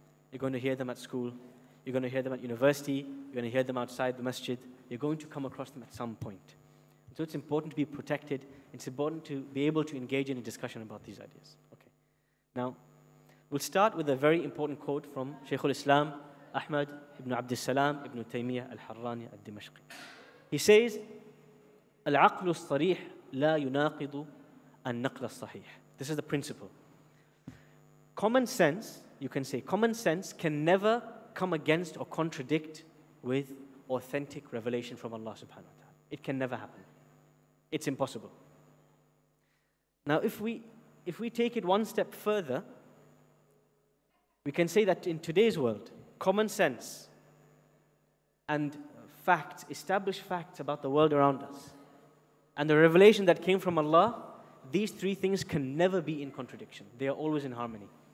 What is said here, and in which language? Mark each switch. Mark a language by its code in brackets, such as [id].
[en] You're going to hear them at school, you're going to hear them at university, you're going to hear them outside the masjid, you're going to come across them at some point. So it's important to be protected, it's important to be able to engage in a discussion about these ideas. Okay. Now, we'll start with a very important quote from Shaykhul Islam, Ahmad ibn Abdul Salam ibn Taymiyyah al-Harrani al-Dimashqi. He says, [ar] العقل الصريح لا يناقض النقل الصحيح. [en] This is the principle. Common sense, you can say, common sense can never come against or contradict with authentic revelation from Allah subhanahu wa ta'ala. It can never happen. It's impossible. Now, if we take it one step further, we can say that in today's world, common sense and facts, established facts about the world around us, and the revelation that came from Allah, these three things can never be in contradiction. They are always in harmony.